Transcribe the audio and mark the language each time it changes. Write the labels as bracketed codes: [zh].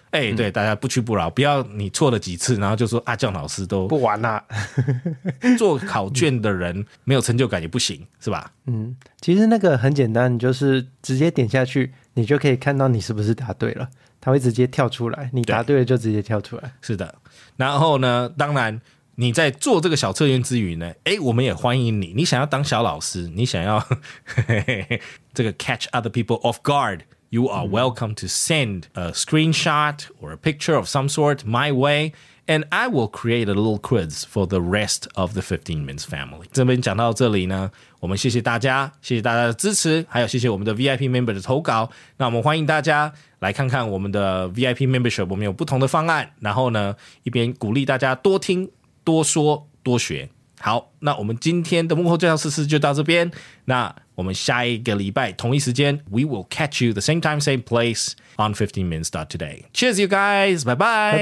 [zh] 哎、欸，对、嗯，大家不屈不挠，不要你错了几次，然后就说啊，姜老师都不玩啦、啊。做考卷的人没有成就感也不行，是吧？嗯，其实那个很简单，就是直接点下去，你就可以看到你是不是答对了，他会直接跳出来，你答对了就直接跳出来。是的，然后呢，当然你在做这个小测验之余呢，哎，我们也欢迎你，你想要当小老师，你想要这个 [en] catch other people off guard, you are welcome to send a screenshot or a picture of some sort my way, and I will create a little quiz for the rest of the 15 Minutes family. [zh] 这边讲到这里呢，我们谢谢大家，谢谢大家的支持，还有谢谢我们的 VIP member 的投稿，那我们欢迎大家来看看我们的 VIP membership, 我们有不同的方案，然后呢，一边鼓励大家多听多说多学。好，那我们今天的幕后教室试就到这边，那我们下一个礼拜同一时间 [en] We will catch you the same time same place on 15minutes.today. Cheers you guys, bye bye,